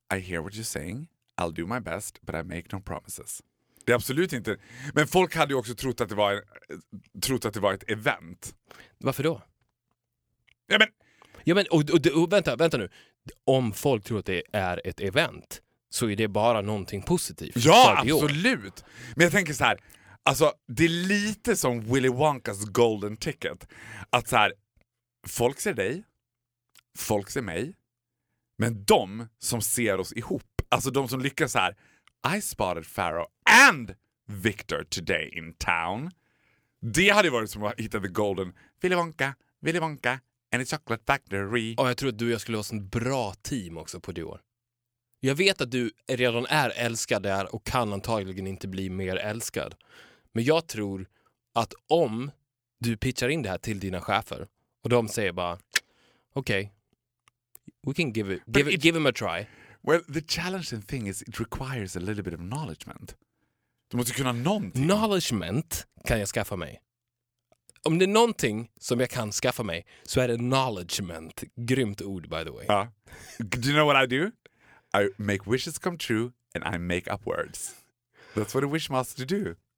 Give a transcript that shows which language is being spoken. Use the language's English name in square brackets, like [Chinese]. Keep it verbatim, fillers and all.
[English] I hear what you're saying. I'll do my best, but I make no promises. [Swedish] Det är absolut inte... Men folk hade ju också trott att det var, trott att det var ett event. Varför då? Ja, men... Ja, men och, och, och, vänta, vänta nu. Om folk tror att det är ett event så är det bara någonting positivt. Ja, absolut. Men jag tänker så här... Alltså, det är lite som Willy Wonkas golden ticket. Att så här, folk ser dig, folk ser mig, men de som ser oss ihop, alltså de som lyckas så här, [English] I spotted Pharaoh and Victor today in town. [Swedish] Det hade varit som att hitta the golden Willy Wonka, Willy Wonka and the Chocolate Factory. Och jag tror att du och jag skulle ha en bra team också på Dior. Jag vet att du redan är älskad där och kan antagligen inte bli mer älskad. Men jag tror att om du pitchar in det här till dina chefer och de säger bara okej, [English] okay, we can give it, give, it, give him a try. Well, the challenging thing is it requires a little bit of knowledgement. [Swedish] Du måste kunna någonting. Knowledgement kan jag skaffa mig. Om det är någonting som jag kan skaffa mig så är det knowledgement. Grymt ord, [English] by the way. Uh, do you know what I do? I make wishes come true and I make up words. That's what a wish master do.